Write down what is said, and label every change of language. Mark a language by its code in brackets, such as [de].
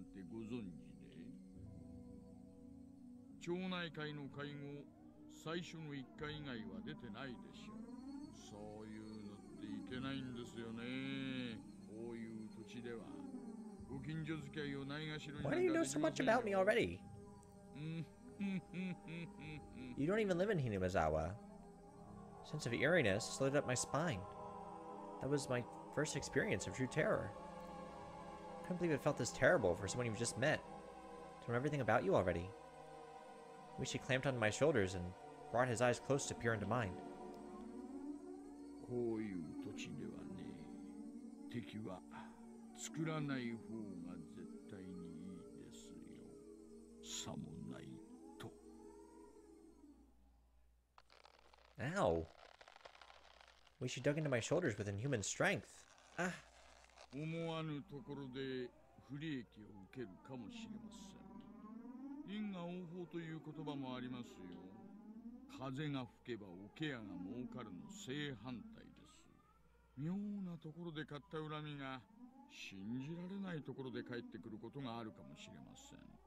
[ja] ご存知で町内会の会合最初の1回以外は出てないでしょう。そういうのっていけないんですよね。こういう土地ではご近所付き合いをないがしろに。 [en] Why do you know so much about me already? You don't even live in Hinamizawa. Sense of eeriness slid up my spine. That was my first experience of true terror. I couldn't believe it felt this terrible for someone you've just met, to know everything about you already. Ooishi clamped onto my shoulders and brought his eyes close to peer into mine. [ja] こういう土地ではね、敵は作らない方が絶対にいいですよ。さもないと。 Ow! [en] Ooishi dug into my shoulders with inhuman strength. Ah! [ja] 思わぬところで不利益を受けるかもしれません。因果応報という言葉もありますよ。風が吹けば桶屋が儲かるの正反対です。妙なところで買った恨みが信じられないところで返ってくることがあるかもしれません。